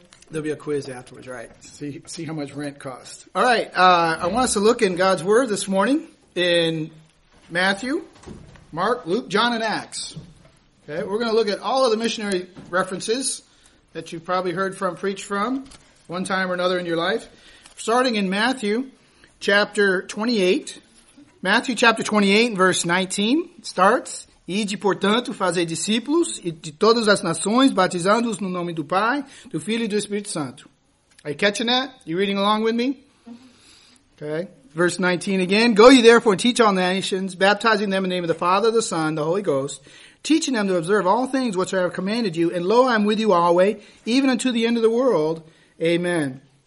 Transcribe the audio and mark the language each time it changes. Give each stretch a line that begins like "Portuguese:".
English: There'll be a quiz afterwards, right? See how much rent costs. All right. I want us to look in God's Word this morning. In Matthew, Mark, Luke, John, and Acts. Okay, we're going to look at all of the missionary references that you've probably heard from, preached from, one time or another in your life. Starting in Matthew chapter 28, verse 19, starts,
Portuguese: Ide, portanto, fazer discípulos de todas as nações, batizando-os no nome do Pai, do Filho e do Espírito Santo.
English: Are you catching that? You reading along with me? Okay. Verse 19 again, go ye therefore and teach all nations, baptizing them in the name of the Father, the Son, the Holy Ghost, teaching them to observe all things which I have commanded you, and lo, I am with you always, even unto the end of the world. Amen.